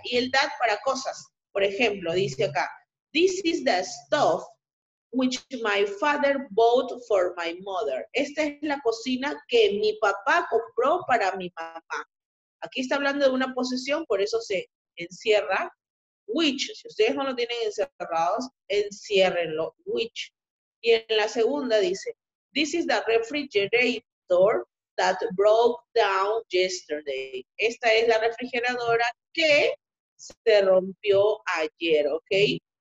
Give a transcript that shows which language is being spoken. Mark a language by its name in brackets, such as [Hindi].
[Spanish] Y el that para cosas. Por ejemplo, dice acá, [English] this is the stove which my father bought for my mother. [Spanish] Esta es la cocina que mi papá compró para mi mamá. Aquí está hablando de una posesión, por eso se encierra. Which, si ustedes no lo tienen encerrados, enciérrenlo, which. Y en la segunda dice, [English] this is the refrigerator that broke down yesterday. [Spanish] Esta es la refrigeradora que se rompió ayer, ¿ok?